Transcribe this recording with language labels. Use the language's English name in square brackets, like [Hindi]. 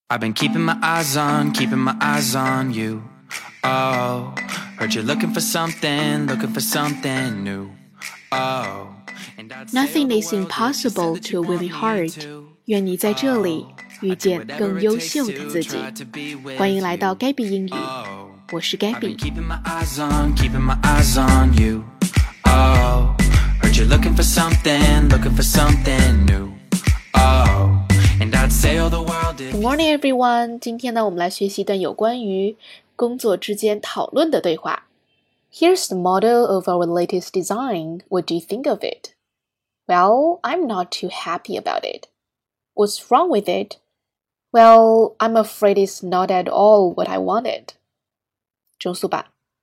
[English] I've been keeping my eyes on, keeping my eyes on you. Oh, heard you're looking for something new. Oh, nothing is impossible to a willing heart. [Chinese] 愿你在这里遇见更优秀的自己。欢迎来到 Gabby 英语，我是 Gabby。 [English] I've been keeping my eyes on, keeping my eyes on you. Oh, heard you're looking for something new. Oh. Good morning, everyone. [Chinese] 今天呢，我们来学习一段有关于工作之间讨论的对话。 [English] Here's the model of our latest design. What do you think of it? Well, I'm not too happy about it. What's wrong with it? Well, I'm afraid it's not at all what I wanted. [Chinese] 中速吧。